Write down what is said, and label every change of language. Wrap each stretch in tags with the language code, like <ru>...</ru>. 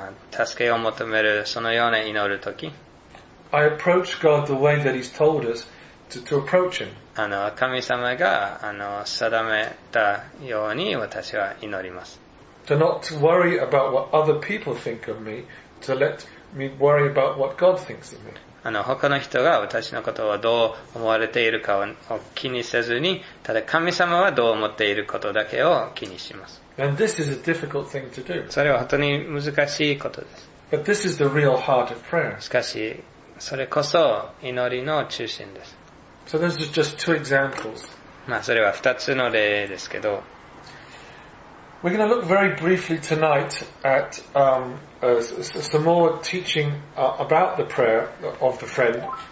<ja>助けを求めるそのような祈るとき、</ja> <en>I approach God the way that He's told us to approach Him.</en> <ja>神様が定めたように私は祈ります。</ja> <en>To not to worry about what other people think of me, to let me worry about what God thinks of me.</en> <ja>他の人が私のことをどう思われているかを気にせずに、ただ神様はどう思っていることだけを気にします。</ja> <en>And this is a difficult thing to do.</en> <ja>それは本当に難しいことです。</ja> <en>But this is the real heart of prayer.</en> <ja>しかし、それこそ祈りの中心です。</ja> <en>So those are just two examples.</en> <ja>まあそれは二つの例ですけど。</ja> <en>We're going to look very briefly tonight at some more teaching about the prayer of the friend.</en>